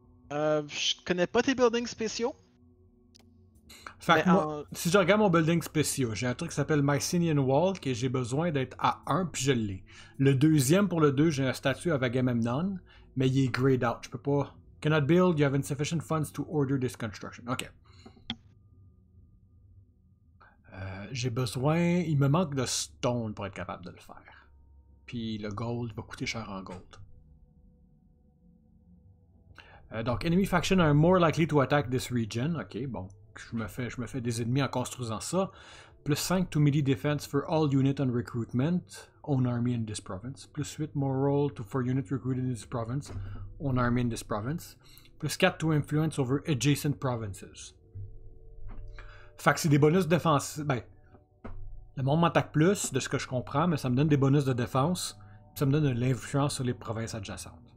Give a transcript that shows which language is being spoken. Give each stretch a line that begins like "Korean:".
French: Je connais pas tes buildings spéciaux. Fait que moi, si je regarde mon building spéciaux, j'ai un truc qui s'appelle Mycenaean Wall, que j'ai besoin d'être à 1, puis je l'ai. Le deuxième, pour le 2, j'ai un statut avec Agamemnon, mais il est
English: grayed out.
French: Je peux pas...
English: Cannot build, you have insufficient funds to order this construction.
French: OK. J'ai besoin... Il me manque de stone pour être capable de le faire. Puis le gold va coûter cher en gold.
English: Donc, enemy faction are more likely to attack this region.
French: OK, bon. Je me fais des ennemis en construisant ça.
English: Plus 5 to melee defense for all units on recruitment. Own army in this province. Plus 8 moral to for units recruited in this province. Own army in this province. Plus 4 to influence over adjacent provinces.
French: Fait que c'est des bonus défense. Ben, le monde m'attaque plus, de ce que je comprends, mais ça me donne des bonus de défense. Ça me donne de l'influence sur les provinces adjacentes.